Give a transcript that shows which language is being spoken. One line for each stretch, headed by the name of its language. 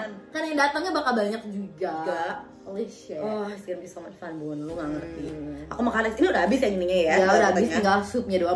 Indonesian: Kan yang datangnya bakal banyak juga.
English: Oh, it's gonna be so much fun, Bun.
Indonesian: Lu gak ngerti. Aku makan ini udah habis yang ininya ya. Ya udah habis, tinggal supnya doang.